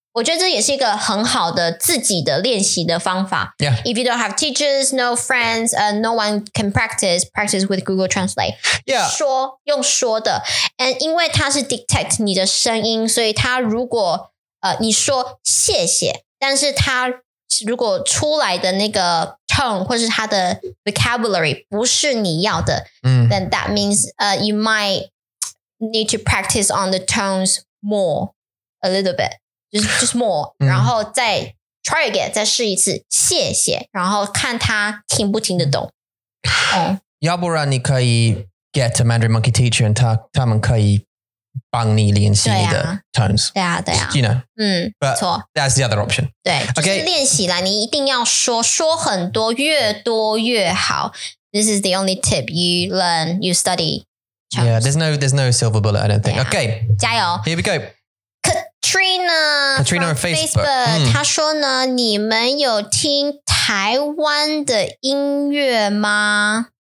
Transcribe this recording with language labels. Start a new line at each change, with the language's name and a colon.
Chinese: 我觉得这也是一个很好的自己的练习的方法.
English: Yeah. If you don't have teachers, no friends, no one can practice with Google Translate. Yeah.
Chinese: 说,用说的.And 因为它是detect你的声音,所以它如果, 你说谢谢, 但是它如果出来的那个 tone,或是它的 vocabulary,不是你要的,
English: then that means you might need to practice on the tones more, a little bit. Just more,
Chinese: 然后再
English: try again,
Chinese: 再试一次,谢谢, 然后看他听不听得懂. 要不然你可以
English: get a Mandarin monkey teacher, and
Chinese: 他们可以帮你练习你的 tones. 对啊,对啊.
English: You know.
Chinese: 没错.
English: That's the other option.
Chinese: 对,就是练习啦, 你一定要说, 说很多, 越多越好.
English: This is the only tip you learn, you study tones. Yeah, there's no silver bullet, I don't think. Okay.
Chinese: 加油.
English: Here we go. Katrina on Facebook,
Chinese: 她说呢, 你们有听台湾的音乐吗?